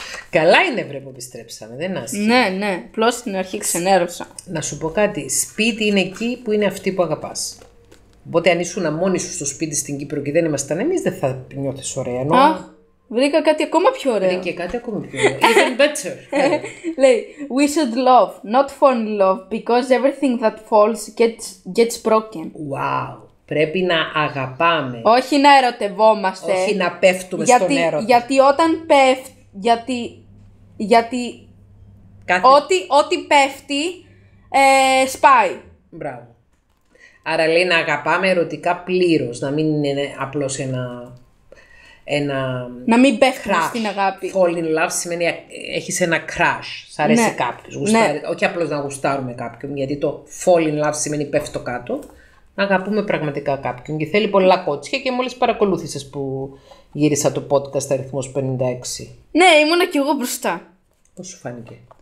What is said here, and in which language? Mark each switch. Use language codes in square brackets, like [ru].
[el] Καλά είναι, βρε, που επιστρέψαμε, δεν άσχε. Ναι, ναι. Πλώς στην αρχή ξενέρωσα. Να σου πω κάτι. Σπίτι είναι εκεί που είναι αυτοί που αγαπάς. Οπότε αν ήσουν μόνοι σου στο σπίτι στην Κύπρο και δεν ήμασταν εμείς, δεν θα νιώθεις ωραία. Ενώ... Αχ, βρήκα κάτι ακόμα πιο ωραίο. Βρήκε κάτι ακόμα πιο ωραίο. [en] Even better. [el] Λέει, [en] we should love, not fall in love, because everything that falls gets broken. [el] Wow. Πρέπει να αγαπάμε. Όχι να ερωτευόμαστε. Όχι να πέφτουμε γιατί, στον έρωτα. Γιατί όταν πέφτει. Γιατί. Κάθε... Ό,τι πέφτει, σπάει. Μπράβο. Άρα λέει να αγαπάμε ερωτικά πλήρως. Να μην είναι απλώς ένα. Να μην πέφτουμε στην αγάπη. [en] Fall in love [el] σημαίνει έχεις ένα crush. Σ' αρέσει, ναι, κάποιος. Ναι. Όχι απλώς να γουστάρουμε κάποιον. Γιατί το [en] fall in love [el] σημαίνει πέφτω κάτω. αγαπούμε πραγματικά κάποιον και θέλει πολλά κότσια και μόλις παρακολούθησες που γύρισα το podcast αριθμός 56. Ναι, ήμουνα κι εγώ μπροστά. Πώς σου φάνηκε?